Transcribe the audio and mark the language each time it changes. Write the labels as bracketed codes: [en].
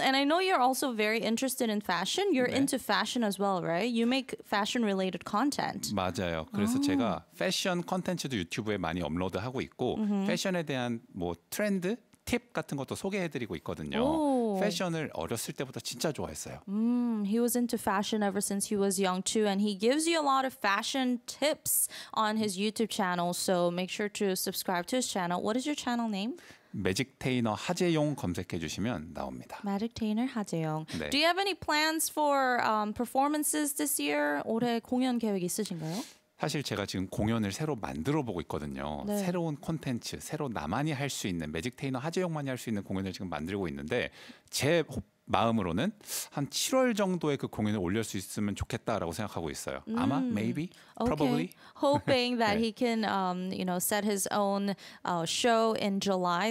[en] And I know you're also very interested in fashion. You're 네. into fashion as well, right? You make fashion-related content. [ko] 맞아요. 그래서 오. 제가 패션 콘텐츠도 유튜브에 많이 업로드하고 있고 mm-hmm. 패션에 대한 뭐 트렌드, 팁 같은 것도 소개해드리고 있거든요. 오. 패션을 어렸을 때부터 진짜 좋아했어요. [en] He was into fashion ever since he was young too, and he gives you a lot of fashion tips on his YouTube channel. So make sure to subscribe to his channel. What is your channel name? [ko] 매직테이너 하재용 검색해 주시면 나옵니다. 매직테이너 하재용. 네. [en] Do you have any plans for performances this year? [ko] 올해 공연 계획 있으신가요? 사실 제가 지금 공연을 새로 만들어보고 있거든요. 네. 새로운 콘텐츠, 새로 나만이 할 수 있는 매직테이너 하재용만이 할 수 있는 공연을 지금 만들고 있는데 제 마음으로는 한 7월 정도에 그 공연을 올릴 수 있으면 좋겠다라고 생각하고 있어요. 아마, [en] maybe, probably. Okay. Hoping that 네. he can you know, set his own show in July.